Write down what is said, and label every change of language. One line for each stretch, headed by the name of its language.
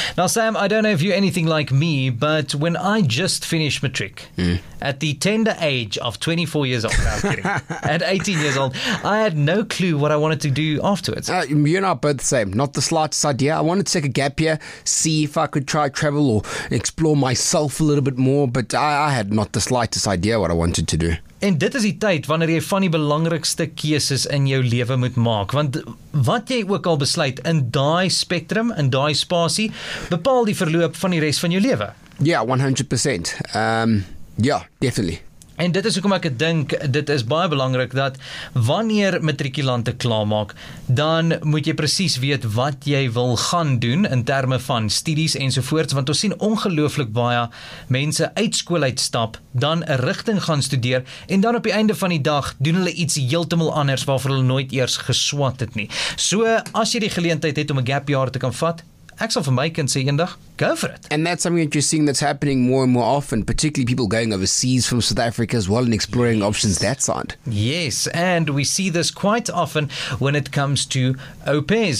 English: Now, Sam, I don't know if you're anything like me, but when I just finished matric, at the tender age of 24 years old, no, I'm kidding, at 18 years old, I had no clue what I wanted to do afterwards. You and I are both the same. Not the slightest idea. I wanted to take a gap year, see if I could try travel or explore myself a little bit more, but I had not the slightest idea what I wanted to do.
Afrikaans: En dit is die tyd wanneer jy van die belangrikste keuses in jou lewe moet maak, want wat jy ook al besluit in daai spectrum, in daai spasie, bepaal die verloop van die res van jou lewe.
English: Ja, yeah, 100%. Definitely.
Afrikaans: En dit is hoekom ek dink dit is baie belangrik dat wanneer matrikulante klaarmaak, dan moet jy presies weet wat jy wil gaan doen in terme van studies ensovoorts, want ons sien ongelooflik baie mense uit skool uitstap, dan 'n rigting gaan studeer en dan op die einde van die dag doen hulle iets heeltemal anders waarvoor hulle nooit eers geswat het nie. So as jy die geleentheid het om 'n gap year te kan vat, ek sal vir my kind sê eendag,
English: go for it. And that's something that you're seeing that's happening more and more often, particularly people going overseas from South Africa as well and exploring options that side. Yes, and we see this quite often when it comes to au pairs.